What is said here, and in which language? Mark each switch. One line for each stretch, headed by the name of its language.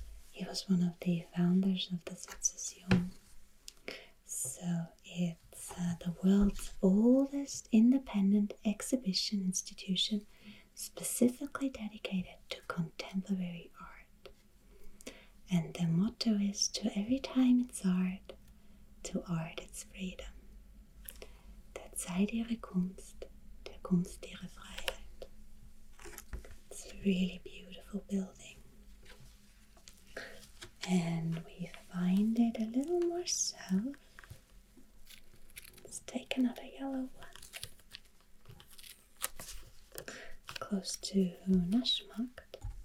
English: He was one of the founders of the Sezession. So it's the world's oldest independent exhibition institution specifically dedicated to contemporary art. And the motto is, to every time it's art, to art its freedom.
German: Der Zeit ihre Kunst, Kunst ihre Freiheit.
English: It's a really beautiful building. And we find it a little more south. Let's take another yellow one. Close to Naschmarkt.